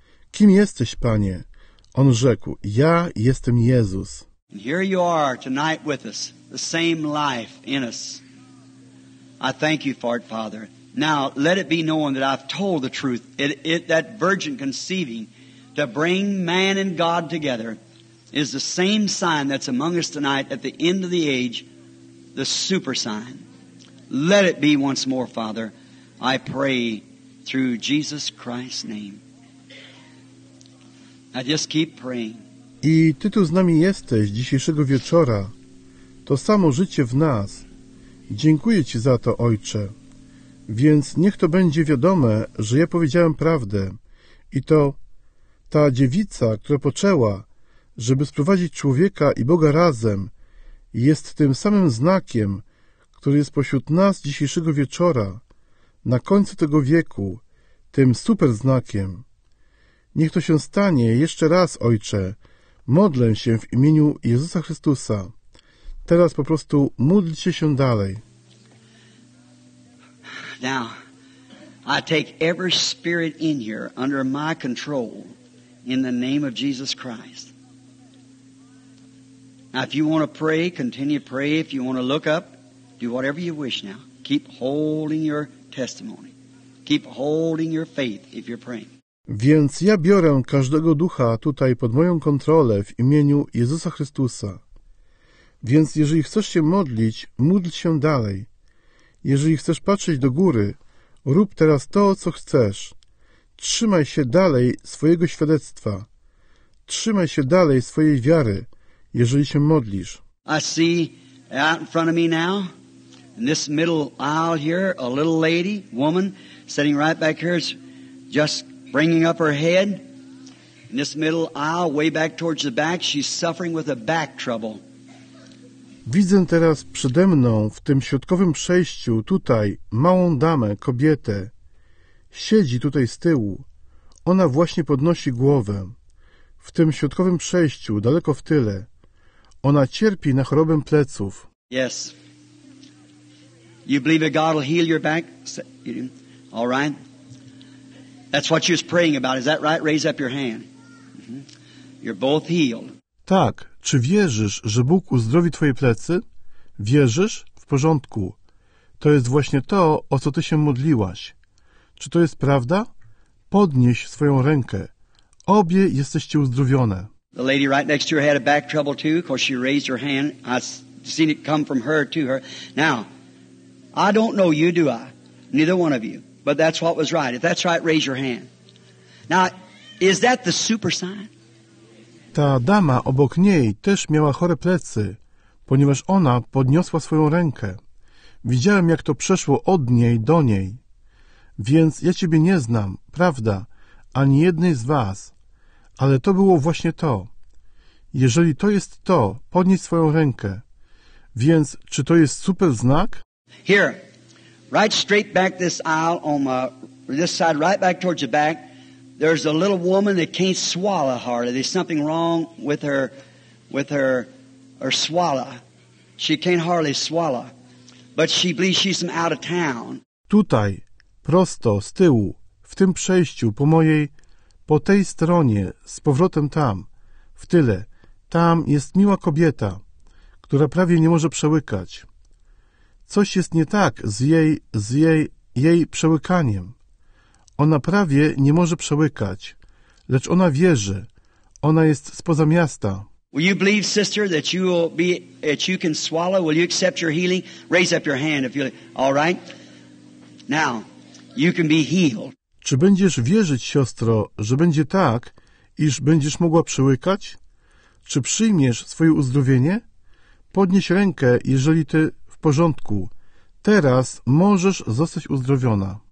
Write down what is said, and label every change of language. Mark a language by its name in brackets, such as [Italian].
[Polish] Kim jesteś, Panie? On rzekł, ja jestem Jezus. [English] And here you are tonight with us, the same life in us. I thank you for it, Father. Now, let it be known that I've told the truth. That virgin conceiving to bring man and God together is the same sign that's among us tonight at the end of the age, the super sign. Let it be once more, Father. I pray through Jesus Christ's name. Now just keep praying. [Polish] I Ty tu z nami jesteś dzisiejszego wieczora. To samo życie w nas. Dziękuję Ci za to, Ojcze. Więc niech to będzie wiadome, że ja powiedziałem prawdę. I to ta dziewica, która poczęła, żeby sprowadzić człowieka i Boga razem, jest tym samym znakiem, który jest pośród nas dzisiejszego wieczora, na końcu tego wieku, tym super znakiem. Niech to się stanie jeszcze raz, Ojcze. Modlę się w imieniu Jezusa Chrystusa. Teraz po prostu módlcie się dalej. [English] Now, I take every spirit in here under my control in the name of Jesus Christ. Now, if you want to pray, continue to pray. If you want to look up, do whatever you wish now. Keep holding your testimony. Keep holding your faith if you're praying. [Polish] Więc ja biorę każdego ducha tutaj pod moją kontrolę w imieniu Jezusa Chrystusa. Więc jeżeli chcesz się modlić, módl się dalej. Jeżeli chcesz patrzeć do góry, rób teraz to, co chcesz. Trzymaj się dalej swojego świadectwa. Trzymaj się dalej swojej wiary, jeżeli się modlisz. [English] I see out in front of me now, in this middle aisle here, a little lady, woman, sitting right back here, is just bringing up her head. In this middle aisle, way back towards the back, she's suffering with a back trouble. [Polish] Widzę teraz przede mną, w tym środkowym przejściu, tutaj, małą damę, kobietę. Siedzi tutaj z tyłu. Ona właśnie podnosi głowę. W tym środkowym przejściu, daleko w tyle. Ona cierpi na chorobę pleców. [English] Yes. You believe that God will heal your back? All right. That's what you was praying about. Is that right? Raise up your hand. You're both healed. [Polish] Tak. Czy wierzysz, że Bóg uzdrowi twoje plecy? Wierzysz? W porządku. To jest właśnie to, o co ty się modliłaś. Czy to jest prawda? Podnieś swoją rękę. Obie jesteście uzdrowione. [English] The lady right next to her had a back trouble too, because she raised her hand. I seen it come from her to her. Now, I don't know you, do I? Neither one of you. But that's what was right. If that's right, raise your hand. Now, is that the super sign? [Polish] Ta dama obok niej też miała chore plecy, ponieważ ona podniosła swoją rękę. Widziałem, jak to przeszło od niej do niej. Więc ja ciebie nie znam, prawda, ani jednej z was. Ale to było właśnie to. Jeżeli to jest to, podnieś swoją rękę. Więc czy to jest super znak? [English] Here, right straight back this aisle on my, this side, right back towards the back. There's a little woman that can't swallow hardly. There's something wrong with her swallow. She can't hardly swallow. But she believes she's from out of town. [Polish] Tutaj, prosto, z tyłu, w tym przejściu, po tej stronie, z powrotem tam, w tyle, tam jest miła kobieta, która prawie nie może przełykać. Coś jest nie tak z jej przełykaniem. Ona prawie nie może przełykać. lecz ona wierzy. Ona jest spoza miasta. [English] Will you believe, sister, that you will be, that you can swallow? Will you accept your healing? Raise up your hand if you. All right. Now, you can be healed. [Polish] Czy będziesz wierzyć, siostro, że będzie tak, iż będziesz mogła przełykać? Czy przyjmiesz swoje uzdrowienie? Podnieś rękę, jeżeli ty w porządku. Teraz możesz zostać uzdrowiona.